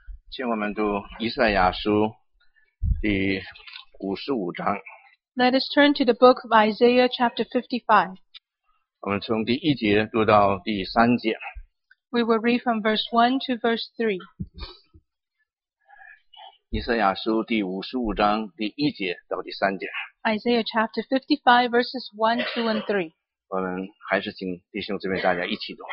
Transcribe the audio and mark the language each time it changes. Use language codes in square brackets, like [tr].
[zh] 请我们读以赛亚书第55章。 [en] Let us turn to the book of Isaiah chapter 55. [zh] 我们从第一节读到第三节。 [en] We will read from verse 1 to verse 3. [zh] 以赛亚书第55章第一节到第三节。 [en] Isaiah chapter 55 verses 1, 2 and 3. [zh] 我们还是请弟兄姊妹大家一起读。